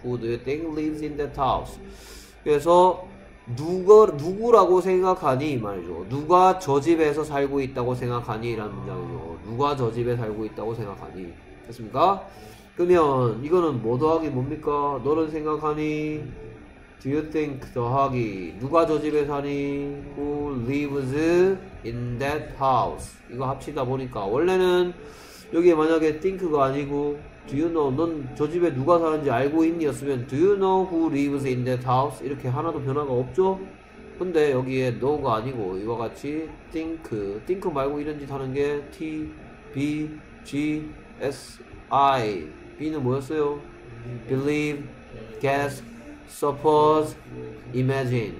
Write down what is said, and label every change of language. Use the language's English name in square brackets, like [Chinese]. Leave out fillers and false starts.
[English] Who do you think lives in that house? [Korean] 그래서 누구라고 생각하니 말이죠. 누가 저 집에서 살고 있다고 생각하니 라는 문장이죠. 누가 저 집에 살고 있다고 생각하니. 됐습니까? 그러면 이거는 뭐 더하기 뭡니까? 너는 생각하니? [English] Do you think [Korean] 더하기 누가 저 집에 사니? [English] Who lives in that house? [Korean] 이거 합치다 보니까 원래는 여기에 만약에 think가 아니고 [English] do you know, [Korean] 넌 저 집에 누가 사는지 알고 있니? [English] 였으면 do you know who lives in that house? [Korean] 이렇게 하나도 변화가 없죠? 근데 여기에 know가 아니고 이와 같이 think, think 말고 이런 짓 하는 게 T, B, G, S, I. B는 뭐였어요? [English] Believe, guess, suppose, imagine.